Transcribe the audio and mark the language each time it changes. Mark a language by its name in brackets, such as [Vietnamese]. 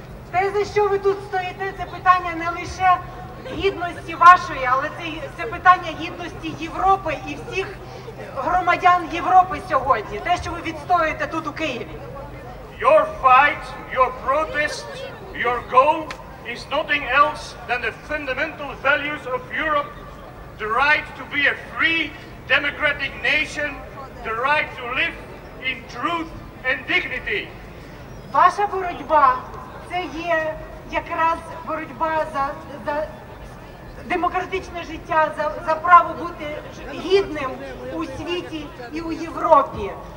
[Ukrainian] Те, за що ви тут стоїте, це питання не лише гідності вашої, але це питання гідності Європи і всіх громадян Європи сьогодні. Те, що ви відстоюєте тут у Києві. [English] Your fight, your protest, your goal is nothing else than the fundamental values of Europe, the right to be a free, democratic nation, the right to live in truth and dignity. [Ukrainian] Ваша боротьба – це є якраз боротьба за демократичне життя, за право бути гідним у світі і у Європі.